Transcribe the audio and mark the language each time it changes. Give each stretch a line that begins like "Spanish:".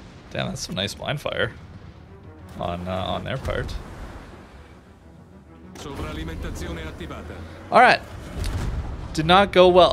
English: Damn, that's some nice blind fire on their part.
Italian: Sovralimentazione attivata.
English: All right, did not go well.